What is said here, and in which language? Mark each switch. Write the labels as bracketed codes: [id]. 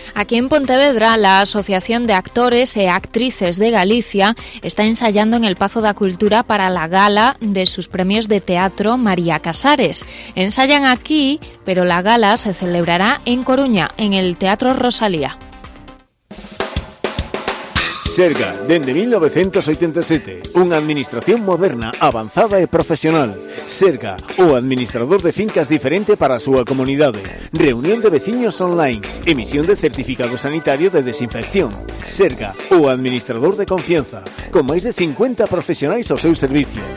[es] Aquí en Pontevedra, la Asociación de Actores e Actrices de Galicia está ensayando en el Pazo da Cultura para la gala de sus premios de teatro María Casares. Ensayan aquí, pero la gala se celebrará en Coruña, en el Teatro Rosalía. [gl] Serga, dende 1987, unha administración moderna, avanzada e profesional. Serga, o administrador de fincas diferente para a súa comunidade. Reunión de veciños online, emisión de certificado sanitario de desinfección. Serga, o administrador de confianza, con máis de 50 profesionais ao seu servicio.